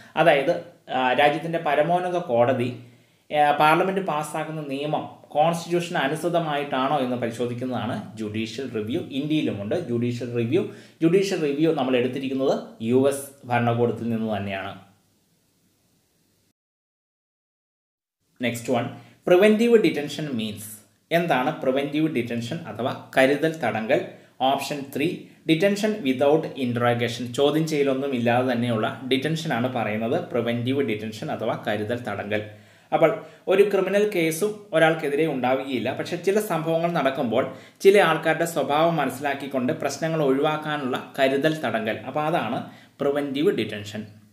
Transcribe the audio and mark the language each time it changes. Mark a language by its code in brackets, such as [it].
[ml] അതായത് രാജ്യത്തിൻ്റെ പരമോന്നത കോടതി പാർലമെൻറ്റ് പാസ്സാക്കുന്ന നിയമം കോൺസ്റ്റിറ്റ്യൂഷന് അനുസൃതമായിട്ടാണോ എന്ന് പരിശോധിക്കുന്നതാണ് judicial review. ഇന്ത്യയിലുമുണ്ട് judicial review. Judicial review നമ്മൾ എടുത്തിരിക്കുന്നത് യു എസ് ഭരണകൂടത്തിൽ നിന്ന് തന്നെയാണ്. [en] Next one, preventive detention means. [ml] എന്താണ് പ്രിവെൻറ്റീവ് ഡിറ്റൻഷൻ അഥവാ കരുതൽ തടങ്കൽ? ഓപ്ഷൻ 3, ഡിറ്റൻഷൻ വിതൗട്ട് ഇൻട്രോഗേഷൻ, ചോദ്യം ചെയ്യലൊന്നും ഇല്ലാതെ തന്നെയുള്ള ഡിറ്റൻഷനാണ് പറയുന്നത് പ്രിവെൻറ്റീവ് ഡിറ്റൻഷൻ അഥവാ കരുതൽ തടങ്കൽ. അപ്പോൾ ഒരു ക്രിമിനൽ കേസും ഒരാൾക്കെതിരെ ഉണ്ടാവുകയില്ല, പക്ഷെ ചില സംഭവങ്ങൾ നടക്കുമ്പോൾ ചില ആൾക്കാരുടെ സ്വഭാവം മനസ്സിലാക്കിക്കൊണ്ട് പ്രശ്നങ്ങൾ ഒഴിവാക്കാനുള്ള കരുതൽ തടങ്കൽ, അപ്പോൾ അതാണ് പ്രിവെൻറ്റീവ് ഡിറ്റൻഷൻ.